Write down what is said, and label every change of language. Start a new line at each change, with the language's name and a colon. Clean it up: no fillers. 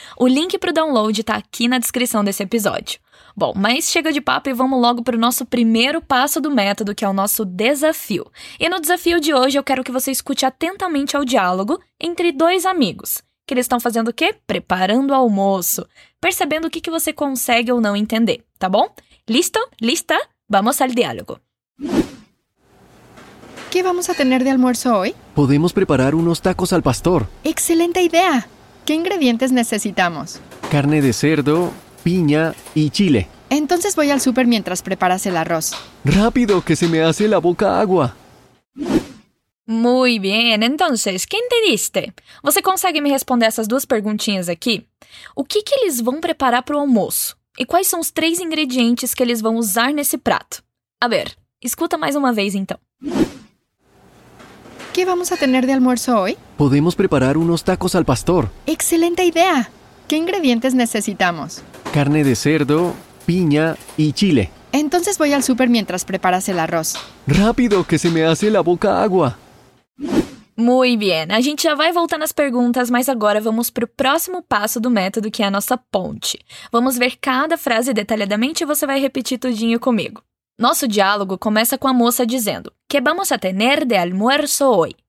Portuguese: O link para o download está aqui na descrição desse episódio. Bom, mas chega de papo e vamos logo para o nosso primeiro passo do método, que é o nosso desafio. E no desafio de hoje, eu quero que você escute atentamente ao diálogo entre dois amigos. Que eles estão fazendo o quê? Preparando o almoço. Percebendo o que você consegue ou não entender, tá bom?
Spanish: Listo? Lista? Vamos ao diálogo. ¿Qué vamos a tener de almuerzo hoy? Podemos preparar unos tacos al pastor. ¡Excelente idea! ¿Qué ingredientes necesitamos? Carne de cerdo, piña y chile. Entonces voy al súper mientras preparas el arroz. ¡Rápido, que se me hace la boca agua! Muy bien, entonces, ¿qué entendiste?
Portuguese: ¿Você consegue me responder esas dos preguntinhas aquí? ¿O que eles vão preparar para o almoço? ¿Y quais são os três ingredientes que eles vão usar nesse prato?
Spanish: A ver,
Portuguese: escuta mais uma vez então.
Spanish: ¿Qué vamos a tener de almuerzo hoy? Podemos preparar unos tacos al pastor. ¡Excelente idea! ¿Qué ingredientes necesitamos? Carne de cerdo, piña y chile. Entonces voy al súper mientras preparas el arroz. ¡Rápido, que se me hace la boca agua! Muy bien,
Portuguese: a gente já vai voltar nas perguntas, mas agora vamos para o próximo passo do método, que é a nossa ponte. Vamos ver cada frase detalhadamente e você vai repetir tudinho comigo. Nosso diálogo começa com a moça dizendo
Spanish: ¿Qué vamos a tener de almuerzo hoy?